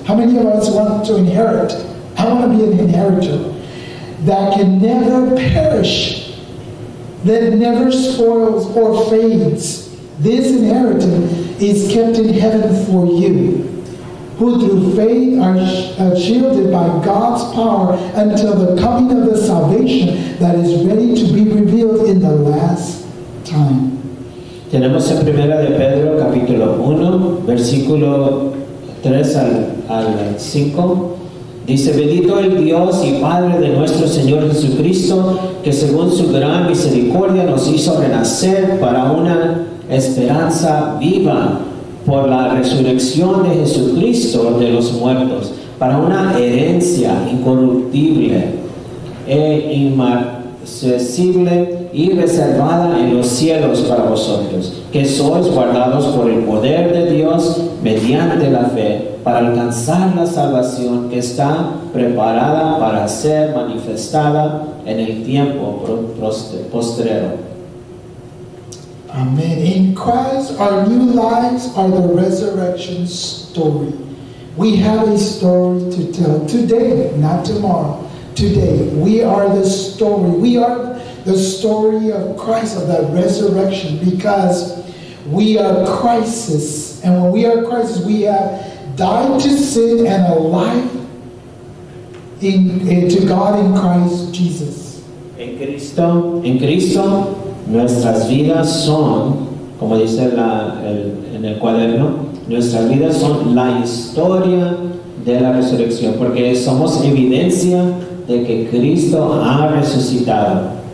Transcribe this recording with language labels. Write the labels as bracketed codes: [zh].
[en] How many of us want to inherit? I want to be an inheritor that can never perish, that never spoils or fades. This inheritance is kept in heaven for you, who through faith are shielded by God's power until the coming of the salvation that is ready to be revealed in the last time. [es] Tenemos en Primera de Pedro, capítulo 1, versículo 3 al 5. Dice, bendito el Dios y Padre de nuestro Señor Jesucristo, que según su gran misericordia nos hizo renacer para una esperanza viva por la resurrección de Jesucristo de los muertos, para una herencia incorruptible e inmarcesible y reservada en los cielos para vosotros, que sois guardados por el poder de Dios mediante la fe, para alcanzar la salvación que está preparada para ser manifestada en el tiempo postrero. Amen. [en] In Christ, our new lives are the resurrection story. We have a story to tell today, not tomorrow. Today, we are the story. We are the story of Christ, of that resurrection, because we are Christ's. And when we are Christ's, we have died to sin and alive to God in Christ Jesus. [es] En Cristo, nuestras vidas son, como dice en el cuaderno, nuestras vidas son la historia de la resurrección, porque somos evidencia de que Cristo ha resucitado.